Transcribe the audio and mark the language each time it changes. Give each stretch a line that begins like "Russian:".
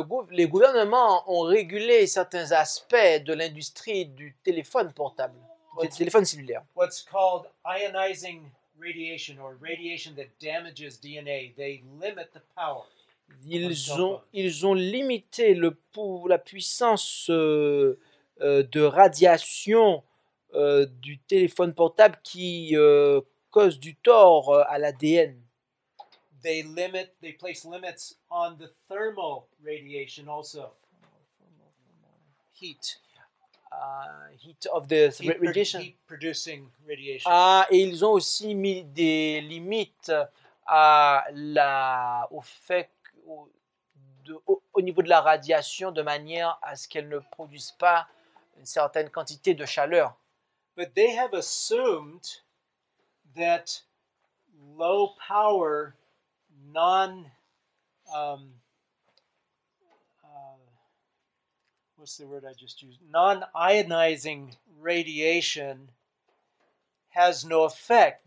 French: Les gouvernements ont régulé certains aspects de l'industrie du téléphone portable, du téléphone cellulaire.
English: What's called ionizing radiation or radiation that damages DNA, they limit the power.
French: Ils ont limité la puissance de radiation du téléphone portable qui cause du tort à l'ADN.
English: They place limits on the thermal radiation also. Heat. Heat of the radiation. Heat producing radiation.
French: Et ils ont aussi mis des limites au niveau de la radiation de manière à ce qu'elle ne produise pas une certaine quantité de chaleur.
English: But they have assumed that low power non-ionizing radiation has no effect.